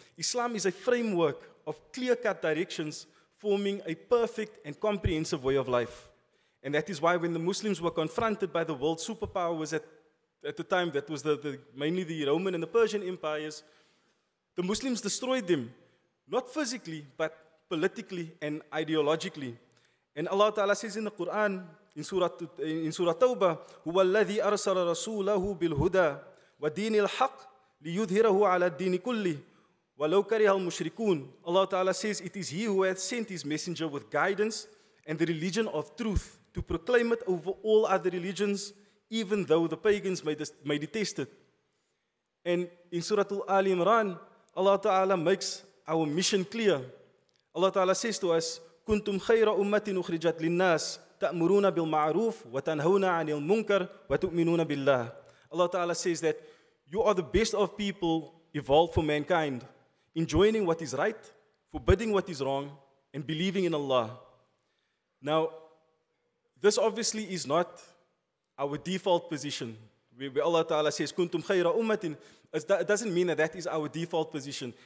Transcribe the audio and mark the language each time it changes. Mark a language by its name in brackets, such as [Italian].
[English] Islam is a framework of clear-cut directions forming a perfect and comprehensive way of life. And that is why when the Muslims were confronted by the world superpowers at the time, that was mainly the Roman and the Persian empires, the Muslims destroyed them, not physically, but politically and ideologically. And Allah Ta'ala says in the Quran, in Surah Tawbah, [Arabic] هُوَ الَّذِي أَرْسَلَ رَسُولَهُ بِالْهُدَى وَدِينِ الْحَقِّ لِيُذْهِرَهُ عَلَى الدِّينِ كُلِّهِ وَلَوْ كَرِهَ الْمُشْرِكُونَ. [English] Allah Ta'ala says, it is He who hath sent His messenger with guidance and the religion of truth to proclaim it over all other religions, even though the pagans may detest it. And in Surah Ali Imran, Allah Ta'ala makes our mission clear. Allah Ta'ala says to us, [Arabic] كُنْتُمْ خَيْرَ أُمَّةٍ أُخْرِجَتْ لِلنَّاسِ تَأْمُرُونَ بِالْمَعْرُوفِ وَتَنْهَوْنَ عَنِ الْمُنْكَرِ وَتُؤْمِنُونَ بِاللَّهِ. [English] Allah Ta'ala says that you are the best of people evolved for mankind, enjoining what is right, forbidding what is wrong, and believing in Allah. Now, this obviously is not our default position. Where Allah Ta'ala says, [Arabic] كُنْتُمْ خَيْرَ أُمَّةٍ, [English] it doesn't mean that that is our default position.